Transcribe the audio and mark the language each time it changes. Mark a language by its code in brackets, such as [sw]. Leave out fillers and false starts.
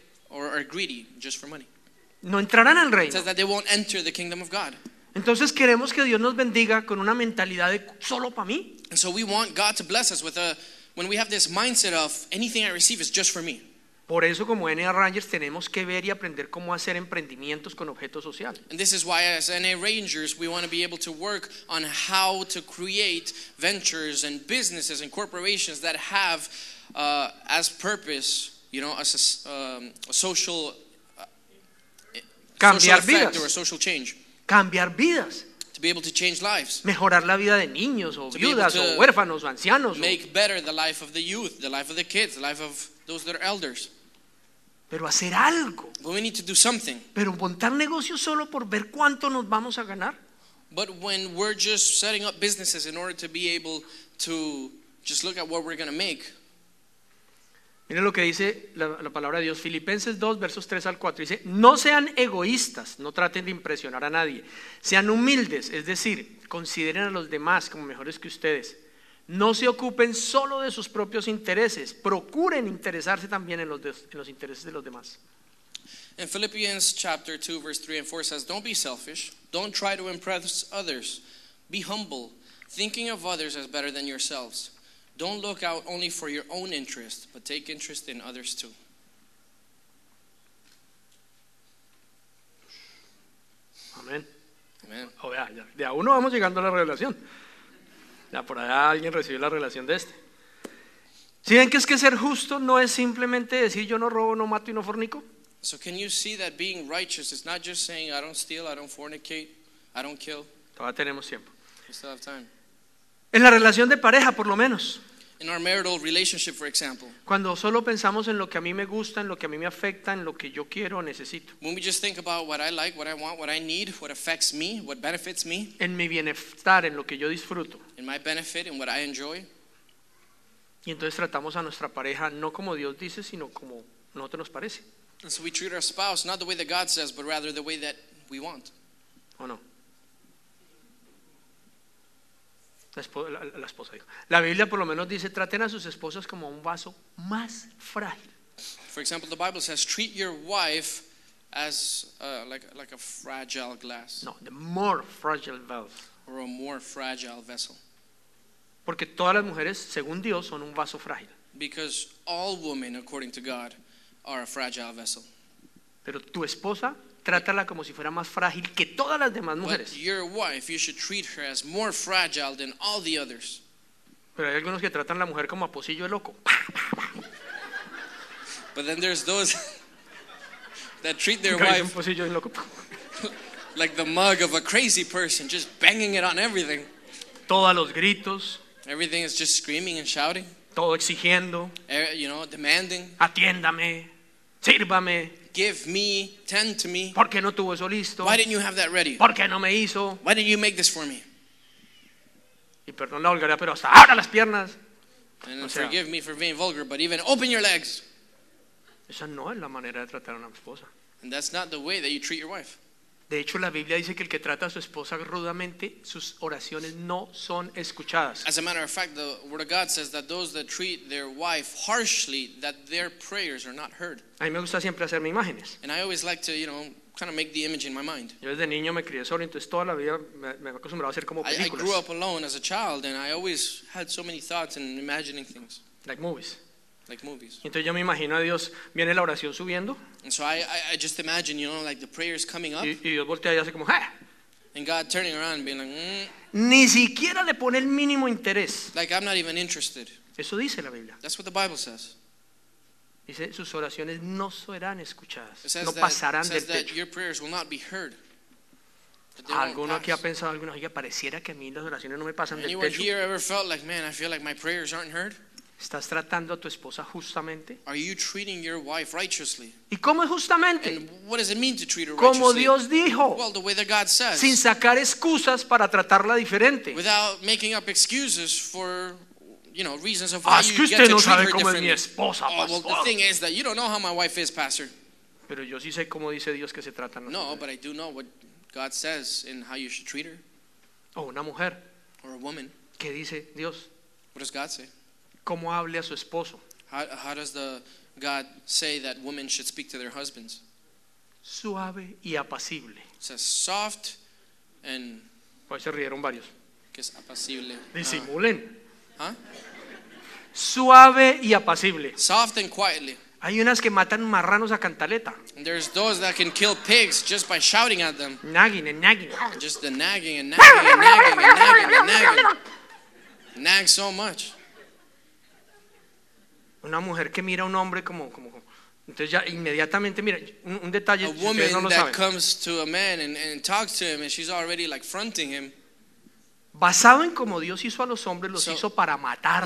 [en] or are greedy just for money. [es] No entrarán al reino. [en] It says that they won't enter the kingdom of God. [es] Entonces queremos que Dios nos bendiga con una mentalidad de solo para mí. [en] And so we want God to bless us with a when we have this mindset of anything I receive is just for me. [es] Por eso como NA Rangers tenemos que ver y aprender cómo hacer emprendimientos con objeto social. [en] And this is why as NA Rangers we want to be able to work on how to create ventures and businesses and corporations that have as purpose, you know, as a social [es] cambiar social vidas. [en] Or a social change. [es] Cambiar vidas. [en] To be able to change lives. [es] Mejorar la vida de niños o viudas o huérfanos o ancianos. [en] Make better the life of the youth, the life of the kids, the life of those that are elders. [es] Pero hacer algo. [en] But we need to do something. [es] Pero montar negocios solo por ver cuánto nos vamos a ganar. [en] But when we're just setting up businesses in order to be able to just look at what we're going to make. [es] Mire lo que dice la palabra de Dios, Filipenses 2, versos 3 al 4. Dice, no sean egoístas, no traten de impresionar a nadie. Sean humildes, es decir, consideren a los demás como mejores que ustedes. No se ocupen solo de sus propios intereses, procuren interesarse también en los intereses de los demás. [en] In Philippians chapter 2 verse 3 and 4 says, don't be selfish, don't try to impress others. Be humble, thinking of others as better than yourselves. Don't look out only for your own interest, but take interest in others too. [es] Amén. Amén. Oh, ya. De a uno vamos llegando a la revelación. Ya, por allá alguien recibió la relación de este. ¿Sí ven que es que ser justo no es simplemente decir yo no robo, no mato y no fornico? [en] So can you see that being righteous is not just saying I don't steal, I don't fornicate, I don't kill. [es] Todavía tenemos tiempo. [en] We still have time. [es] En la relación de pareja, por lo menos. [en] In our marital relationship, for example. [es] Cuando solo pensamos en lo que a mí me gusta, en lo que a mí me afecta, en lo que yo quiero o necesito. [en] When we just think about what I like, what I want, what I need, what affects me, what benefits me. [es] En mi bienestar, en lo que yo disfruto. [en] In my benefit, in what I enjoy. [es] Y entonces tratamos a nuestra pareja no como Dios dice, sino como nosotros nos parece. [en] And so we treat our spouse not the way that God says, but rather the way that we want. [es] ¿O no? La esposa dijo. La Biblia por lo menos dice, traten a sus esposas como un vaso más frágil. [en] For example, the Bible says, treat your wife as like a fragile glass. No, the more fragile vessel. Or a more fragile vessel. [es] Porque todas las mujeres, según Dios, son un vaso frágil. [en] Because all women, according to God, are a fragile vessel. [es] Pero tu esposa, trátala como si fuera más frágil que todas las demás mujeres. [en] But your wife, you should treat her as more fragile than all the others. [es] Pero hay algunos que tratan a la mujer como a pocillo de loco. [en] But then there's those that treat their wife [es] pocillo de loco. [en] Like the mug of a crazy person, just banging it on everything. [es] Todos los gritos. [en] Everything is just screaming and shouting. [es] Todo exigiendo. [en] You know, demanding. [es] Atiéndame. Sírvame. [en] Give me, tend to me. [es] ¿Por qué no tuvo eso listo? [en] Why didn't you have that ready? [es] ¿Por qué no me hizo? [en] Why didn't you make this for me? [es] Y perdón la vulgaridad, pero hasta abra las piernas. [en] And forgive me for being vulgar, but even open your legs. [es] Esa no es la manera de tratar a una esposa. [en] And that's not the way that you treat your wife. [es] De hecho, la Biblia dice que el que trata a su esposa rudamente, sus oraciones no son escuchadas. [en] As a matter of fact, the Word of God says that those that treat their wife harshly, that their prayers are not heard. [es] A mí me gusta siempre hacerme imágenes. [en] And I always like to, you know, kind of make the image in my mind. [es] Yo desde niño me crié solo, entonces toda la vida me he acostumbrado a hacer como películas. [en] I grew up alone as a child, and I always had so many thoughts and imagining things. Like movies. Like movies. [es] Entonces yo me imagino a Dios, viene la oración subiendo. [en] And so I just imagine, you know, like the prayers coming up. [es] Y Dios voltea y hace como, ¡ah! [en] And God turning around and being like, mm. [es] Ni siquiera le pone el mínimo interés. [en] Like I'm not even interested. [es] Eso dice la Biblia. [en] That's what the Bible says. [es] Dice, sus oraciones no serán escuchadas. No pasarán del techo. [en] It says that your prayers will not be heard. [es] ¿Alguno aquí ha pensado, alguno que pareciera que a mí las oraciones no me pasan del techo? [en] Anyone here ever felt like, man, I feel like my prayers aren't heard? [es] ¿Estás tratando a tu esposa justamente? [en] Are you treating your wife righteously? [es] ¿Y cómo es justamente? [en] And what does it mean to treat her [es] como [en] righteously? [es] Dios dijo. [en] Well, the way that God says. [es] Sin sacar excusas para tratarla diferente. [en] Without making up excuses for, you know, reasons of why [es] es que [en] you get to [es] no [en] treat her [es] cómo es mi esposa, pastor. [en] Oh, well, the thing is that you don't know how my wife is, pastor. [es] Pero yo sí sé cómo dice Dios que se tratan. [en] No, but I do know what God says and how you should treat her. [es] O una mujer. [en] Or a woman. [es] ¿Qué dice Dios? [en] What does God say? [es] ¿Cómo hable a su esposo? [en] How does the God say that women should speak to their husbands? [es] Suave y apacible. [en] It says soft and... [es] Pues se rieron varios. Que es apacible. Disimulen. Huh? Suave y apacible. [en] Soft and quietly. [es] Hay unas que matan marranos a cantaleta. [en] There's those that can kill pigs just by shouting at them. Nagging and nagging. Just the nagging and nagging and nagging and nagging and nagging. Nag so much. [es] Una mujer que mira a un hombre como entonces ya inmediatamente mira un detalle. [en] A woman [es] no lo [en] that [es] saben. [en] Comes to a man and talks to him and she's already like fronting him. [es] Basado en como Dios hizo a los hombres, los hizo para matar